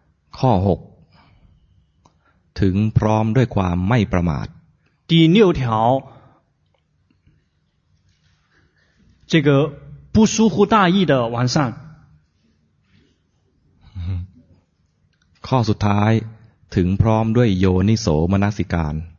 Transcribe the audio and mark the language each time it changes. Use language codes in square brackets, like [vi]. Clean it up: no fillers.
[th] ข้อ6ถึงพร้อมด้วยความไม่ประมาท [zh] 第6条这个不疏忽大意的完善 [th] ข้อสุดท้ายถึงพร้อมด้วยโยนิโสมนสิการ